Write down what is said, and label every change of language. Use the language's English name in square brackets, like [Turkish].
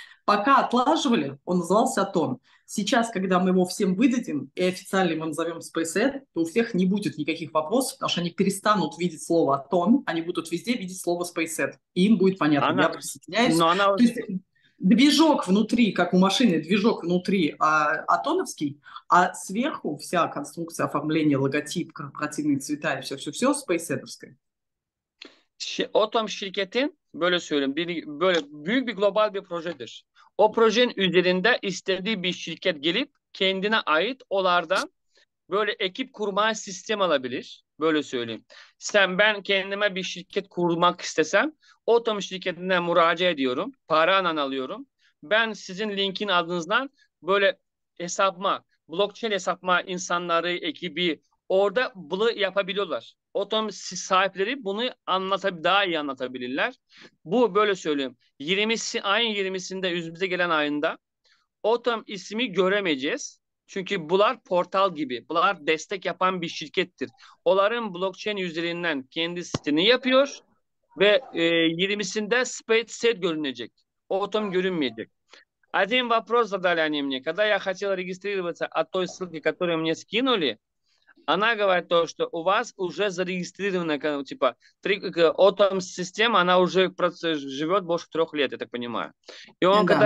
[Russian] Пока отлаживали, он назывался Атон. Сейчас, когда мы его всем выдадим и официально его назовем SpaceAd, то у всех не будет никаких вопросов, потому что они перестанут видеть слово Атон, они будут везде видеть слово SpaceAd. И им будет понятно, я присоединяюсь. Но она То есть движок внутри, как у машины, движок внутри атоновский, а сверху вся конструкция, оформление, логотип, корпоративные цвета и все-все-все спейсэдовское. [Turkish] Atom şirketin böyle söyleyeyim böyle büyük bir global bir projedir. O projenin üzerinde istediği bir şirket gelip kendine ait olardan böyle ekip kurma sistem alabilir. Böyle söyleyeyim. Sen ben kendime bir şirket kurmak istesem Atom şirketine müracaat ediyorum. Para alıyorum. Ben sizin linkin adınızdan böyle hesabıma, blockchain hesabıma insanları, ekibi orada bunu yapabiliyorlar. Atom sahipleri bunu daha iyi anlatabilirler. Bu böyle söyleyeyim. 20'si ayın 20'sinde yüzümüze gelen ayında Atom ismi göremeyeceğiz. Çünkü bunlar portal gibi. Bunlar destek yapan bir şirkettir. Onların blockchain üzerinden kendi sitesini yapıyor ve 20'sinde SpaceX görünecek. Atom görünmeyecek. [Russian] Один вопрос задали они мне. Когда я хотел регистрироваться от той ссылки, которую мне скинули, она говорит то, что у вас уже зарегистрирована, типа, Atom система, она уже живет больше 3 лет, я так понимаю. И он, когда